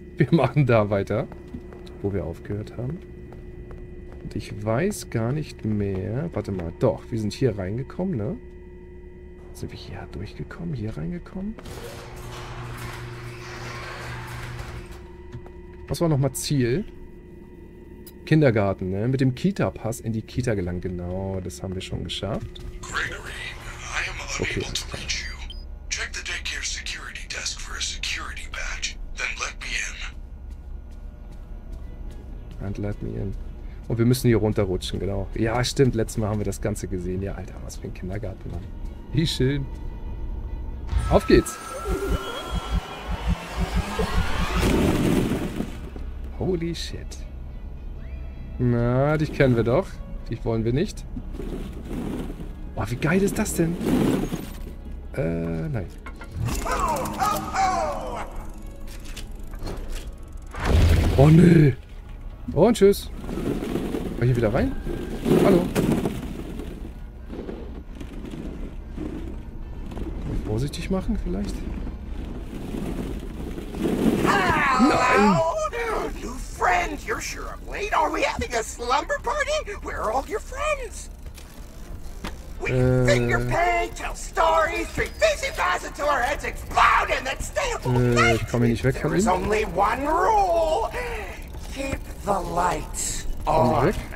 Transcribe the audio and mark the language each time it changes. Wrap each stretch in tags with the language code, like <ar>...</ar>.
<de>Wir machen da weiter, wo wir aufgehört haben. Und ich weiß gar nicht mehr, warte mal, doch, wir sind hier reingekommen, ne? Sind wir hier durchgekommen, hier reingekommen? Was war nochmal Ziel? Kindergarten, ne? Mit dem Kita-Pass in die Kita gelangt. Genau, das haben wir schon geschafft.</de> <en>Gregory, I am unable to reach you. Check the daycare security desk for a security badge. Then let me in. And let me in.</en> <de>Und wir müssen hier runterrutschen, genau. Ja, stimmt. Letztes Mal haben wir das Ganze gesehen. Ja, Alter, was für ein Kindergarten, Mann. Wie schön. Auf geht's.</de> <en>Holy shit.</en> <de>Na, dich kennen wir doch. Dich wollen wir nicht. Oh, wie geil ist das denn? Nein. Oh, nö. Und tschüss. War hier wieder rein? Hallo. Vorsichtig machen, vielleicht? Nein!</de> <en>Friend, you're sure up late. Are we having a slumber party? Where are all your friends? We can finger paint, tell stories, drink fizzy pies until our heads explode, and then stay up all night. There is only one rule: keep the lights on.</en>